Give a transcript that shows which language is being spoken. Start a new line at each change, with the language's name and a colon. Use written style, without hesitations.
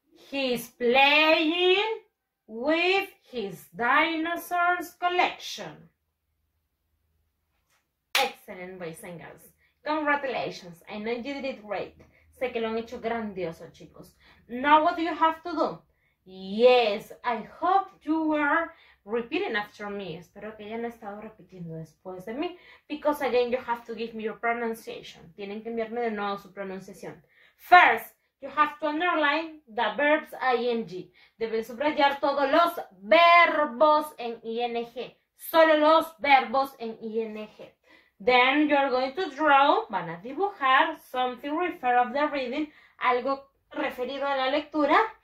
English: He's playing with his dinosaurs collection. Excellent, boys and girls. Congratulations. I know you did it great.
Spanish: Sé que lo han hecho grandioso, chicos.
English: Now what do you have to do? Yes, I hope you were repeating after me.
Spanish: Espero que hayan estado repitiendo después de mí.
English: Because again, you have to give me your pronunciation.
Spanish: Tienen que enviarme de nuevo su pronunciación.
English: First, you have to underline the verbs ing.
Spanish: Deben subrayar todos los verbos en ing. Solo los verbos en ing.
English: Then you're going to draw,
Spanish: van a dibujar,
English: something referred of the reading,
Spanish: algo referido a la lectura.